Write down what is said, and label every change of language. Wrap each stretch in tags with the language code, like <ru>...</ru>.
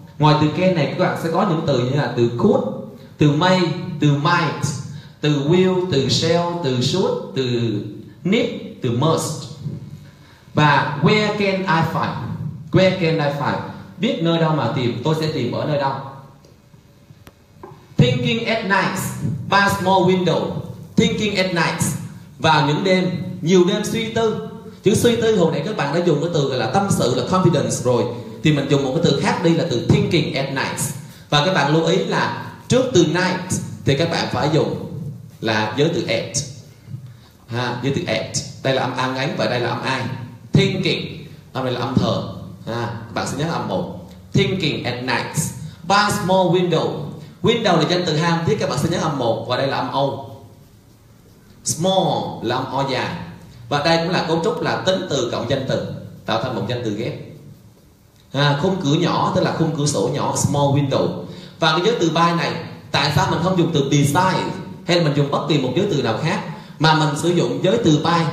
<vi>Ngoài từ can này, các bạn sẽ có những từ như là từ could, từ may, từ might, từ will, từ shall, từ should, từ need, từ must.</vi> <en>Và where can I find? Where can I find?</en> <vi>Biết nơi đâu mà tìm, tôi sẽ tìm ở nơi đâu.</vi> <en>Thinking at night by small window. Thinking at night,</en> <vi>vào những đêm, nhiều đêm suy tư. Chữ suy tư hồi nãy các bạn đã dùng cái từ gọi là tâm sự, là confidence rồi, thì mình dùng một cái từ khác đi là từ</vi> <en>thinking at night.</en> <vi>Và các bạn lưu ý là trước từ night thì các bạn phải dùng là giới từ at, ha, giới từ at. Đây là âm an ánh và đây là âm ai. Thinking, âm này là âm thờ, ha, các bạn sẽ nhớ âm 1.</vi> <en>Thinking at night by small window.</en> <vi>Window là danh từ hàm thiết, các bạn sẽ nhấn âm 1 và đây là âm O. Small là âm O dài. Và đây cũng là cấu trúc là tính từ cộng danh từ, tạo thành một danh từ ghép. À, khung cửa nhỏ, tức là khung cửa sổ nhỏ,</vi> <en>small window.</en> <vi>Và cái giới từ by này, tại sao mình không dùng từ beside hay là mình dùng bất kỳ một giới từ nào khác, mà mình sử dụng giới từ by?</vi>